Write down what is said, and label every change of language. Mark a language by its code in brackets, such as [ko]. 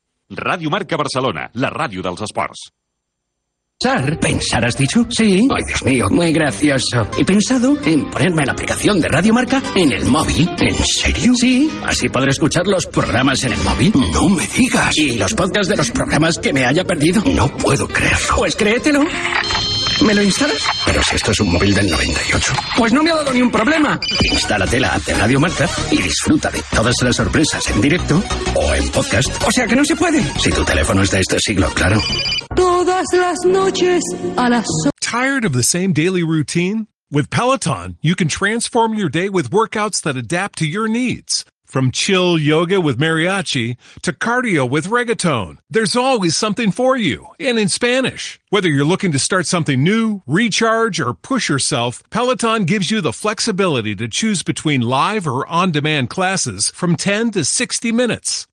[ca] Radio Marca Barcelona, la radio dels esports. [es] Pensar, ¿has dicho? Sí. Ay, Dios mío, muy gracioso. He pensado en ponerme la aplicación de Radio Marca en el móvil. ¿En serio? Sí, así podré escuchar los programas en el móvil. No me digas. Y los podcasts de los programas que me haya perdido. No puedo creerlo. Pues créetelo. ¿Me lo instalas? Pero si esto es un móvil del 98. Pues no me ha dado ni un problema. Instálate la app de Radio Marca y disfruta de todas las sorpresas en directo o en podcast. O sea que no se puede. Si tu teléfono es de este siglo, claro. Todas las noches a las... [en] Tired of the same daily routine? With Peloton, you can transform your day with workouts that adapt to your needs. From chill yoga with mariachi to cardio with reggaeton, there's always something for you. And in Spanish, whether you're looking to start something new, recharge, or push yourself, Peloton gives you the flexibility to choose between live or on-demand classes from 10 to 60 minutes.